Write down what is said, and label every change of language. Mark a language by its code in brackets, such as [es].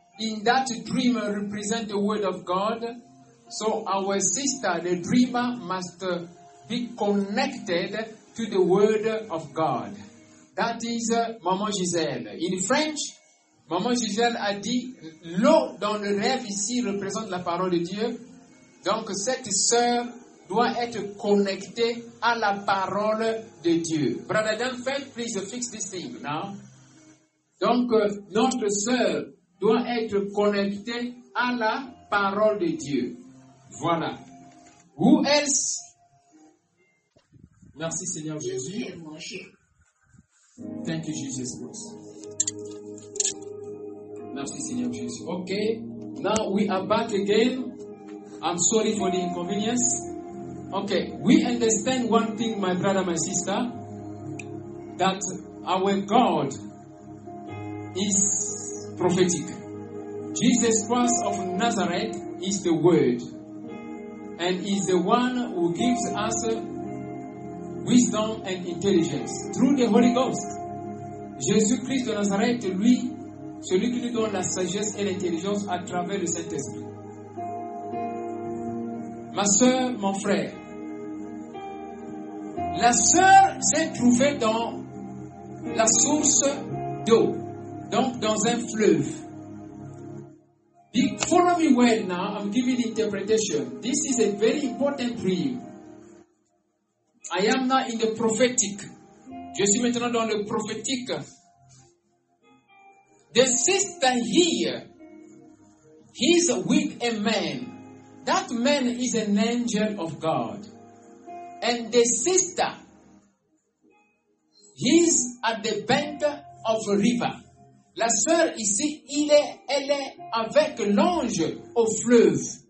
[en] in that dream represent the word of God. So our sister, the dreamer, must be connected to the word of God. That is Maman Gisèle. [fr] In French, Maman Gisèle a dit, l'eau dans le rêve ici représente la parole de Dieu. Donc cette sœur doit être connectée à la parole de Dieu. [en] Brother Dan, please fix this thing now. [fr] Donc notre sœur doit être connectée à la parole de Dieu. Voilà. [en] Who else? [fr] Merci Seigneur Jésus. [en] Thank you, Jesus Christ. [fr] Merci Seigneur Jésus. [en] Okay. Now we are back again. I'm sorry for the inconvenience. Okay, we understand one thing, my brother, my sister, that our God is prophetic. Jesus Christ of Nazareth is the Word, and is the one who gives us wisdom and intelligence through the Holy Ghost. [fr] Jésus Christ de Nazareth, lui, celui qui nous donne la sagesse et l'intelligence à travers le Saint-Esprit. Ma soeur, mon frère, la sœur s'est trouvée dans la source d'eau, donc dans un fleuve. [en] Follow me well now, I'm giving interpretation. This is a very important dream. I am now in the prophetic. [fr] Je suis maintenant dans le prophétique. [en] The sister here, he's with a man. That man is an angel of God. And the sister, he's at the bank of a river. [fr] La sœur ici, elle est avec l'ange au fleuve.